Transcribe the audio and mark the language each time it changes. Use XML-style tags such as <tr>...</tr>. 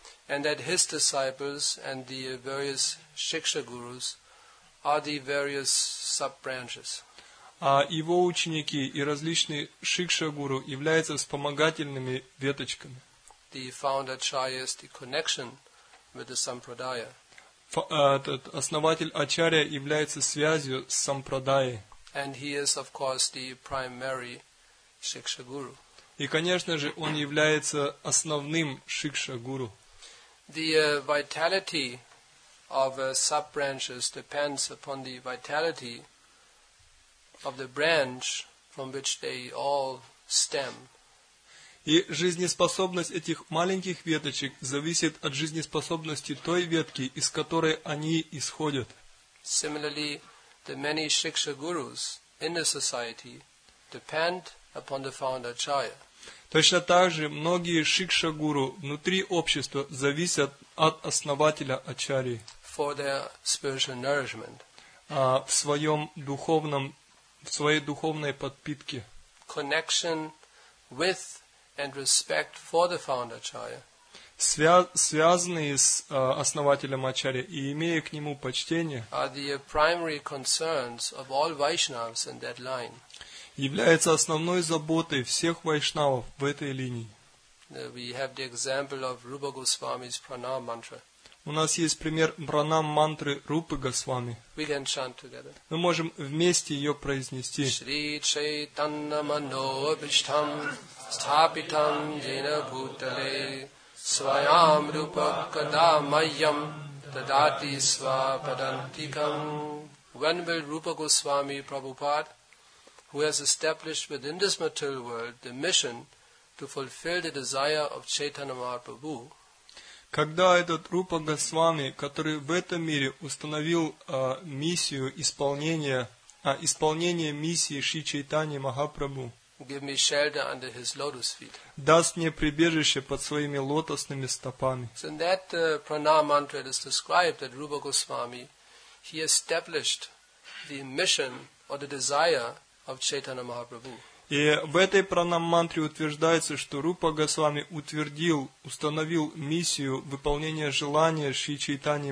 <en>And that his disciples and the various Shiksha gurus are the various sub-branches.</en> <ru>А его ученики и различные Шикша гуру являются вспомогательными веточками.</ru> <en>The founder Acharya is the connection with the Sampradaya.</en> <ru>Основатель Ачарья является связью с Сампрадайей.</ru> <en>And he is, of course, the primary Shiksha guru.</en> <ru>И, конечно же, он является основным Шикша гуру.</ru> <en>The vitality of sub-branches depends upon the vitality of the branch from which they all stem.</en> <ru>И жизнеспособность этих маленьких веточек зависит от жизнеспособности той ветки, из которой они исходят.</ru> <en>Similarly, the many Shiksha gurus in the society depend upon the founder Acharya.</en> <ru>Точно так же многие шикша гуру внутри общества зависят от основателя Ачарьи.</ru> <en>For their spiritual nourishment.</en> <ru>В своей духовной подпитке.</ru> <en>Connection with and respect for the founder Acharya.</en> <ru>Связанные с основателем Ачарьи и имея к нему почтение.</ru> <en>Are the primary concerns of all Vaishnavas in that line.</en> <ru>Является основной заботой всех вайшнавов в этой линии.</ru> <en>We have the example of Rupa Goswami's Pranam mantra.</en> <ru>У нас есть пример Пранам мантры Рупы Госвами.</ru> <en>We can chant together.</en> <ru>Мы можем вместе ее произнести.</ru> <sa>Шри Чайтанья Манобиштхам Стхапитам Джина Бхутале Свайам Рупа Кадамайям Дадати Свападантикам.</sa> <en>When will Rupa Goswami Prabhupada, who has established within this material world the mission to fulfill the desire of Chaitanya Mahaprabhu.</en> <ru>Когда этот Рупа Госвами, который в этом мире установил миссию исполнения, исполнение миссии Шри Чайтаньи Махапрабху,</ru> <en>give me shelter under his lotus feet.</en> <ru>Даст мне прибежище под своими лотосными стопами.</ru> <en>So in that pranam mantra, it is described that Rupa Goswami, he established the mission or the desire of Chaitanya Mahaprabhu.</en> <ru>И в этой пранам-мантре утверждается, что Рупа Госвами утвердил, установил миссию выполнения желания Шри Чайтаньи</ru>